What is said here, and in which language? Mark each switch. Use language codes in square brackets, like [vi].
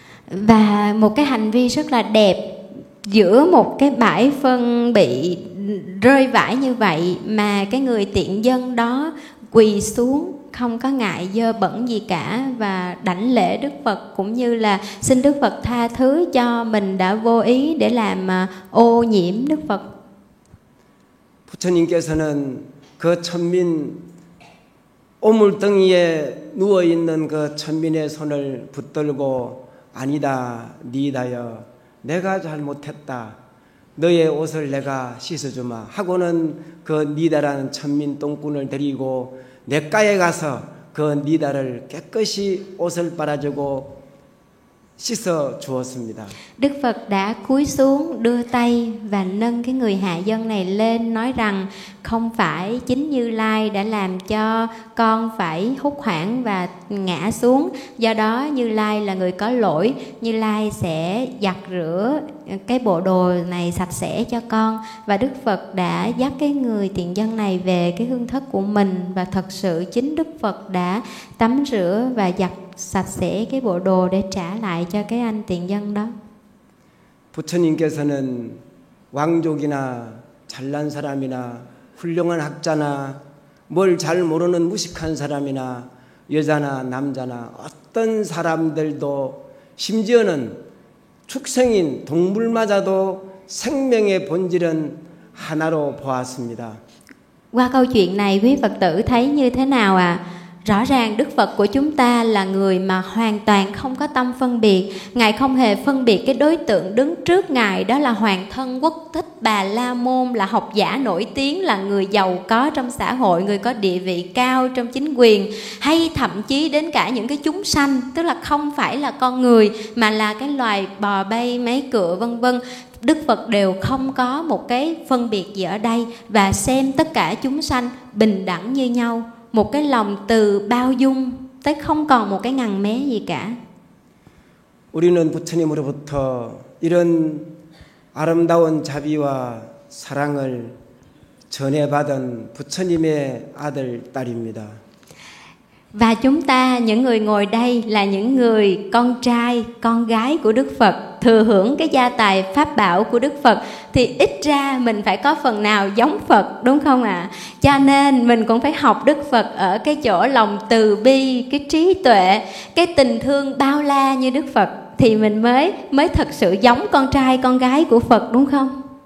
[vi] Và một cái hành vi rất là đẹp giữa một cái bãi phân bị rơi vãi như vậy mà cái người tiện dân đó quỳ xuống không có ngại dơ bẩn gì cả và đảnh lễ Đức Phật cũng như là xin Đức Phật tha thứ cho mình đã vô ý để làm ô nhiễm Đức Phật. [ko] 부처님께서는 그 천민 오물덩이에 누워 있는 그 천민의 손을 붙들고 아니다 니다여 내가 잘못했다 너의 옷을 내가 씻어주마 하고는 그 니다라는 천민 똥꾼을 데리고 냇가에 가서 그 니다를 깨끗이 옷을 빨아주고 씻어 주었습니다. [vi] Đức Phật đã cúi xuống đưa tay và nâng cái người hạ dân này lên nói rằng không phải chính Như Lai đã làm cho con phải hốt hoảng và ngã xuống, do đó Như Lai là người có lỗi, Như Lai sẽ giặt rửa cái bộ đồ này sạch sẽ cho con. Và Đức Phật đã dắt cái người tiện dân này về cái hương thất của mình và thật sự chính Đức Phật đã tắm rửa và giặt sạch sẽ cái bộ đồ để trả lại cho cái anh tiện dân đó. [ko] 부처님께서는 왕족이나 잘난 사람이나 훌륭한 학자나 뭘 잘 모르는 무식한 사람이나 여자나 남자나 어떤 사람들도 심지어는 축생인 동물마저도 생명의 본질은 하나로 보았습니다. [vi] Qua câu chuyện này quý Phật tử thấy như thế nào ạ? Rõ ràng Đức Phật của chúng ta là người mà hoàn toàn không có tâm phân biệt. Ngài không hề phân biệt cái đối tượng đứng trước Ngài, đó là hoàng thân Quốc Thích Bà La Môn, là học giả nổi tiếng, là người giàu có trong xã hội, người có địa vị cao trong chính quyền, hay thậm chí đến cả những cái chúng sanh, tức là không phải là con người mà là cái loài bò bay, máy cựa vân vân. Đức Phật đều không có một cái phân biệt gì ở đây và xem tất cả chúng sanh bình đẳng như nhau. Một cái lòng từ bao dung tới không còn một cái ngần mé gì cả. [ko] 우리는 부처님으로부터 이런 아름다운 자비와 사랑을 전해 받은 부처님의 아들 딸입니다. [vi] Và chúng ta những người ngồi đây là những người con trai, con gái của Đức Phật, thừa hưởng cái gia tài pháp bảo của Đức Phật thì ít ra mình phải có phần nào giống Phật, đúng không ạ? Cho nên mình cũng phải học Đức Phật ở cái chỗ lòng từ bi, cái trí tuệ, cái tình thương bao la như Đức Phật thì mình mới thật sự giống con trai, con gái của Phật, đúng không?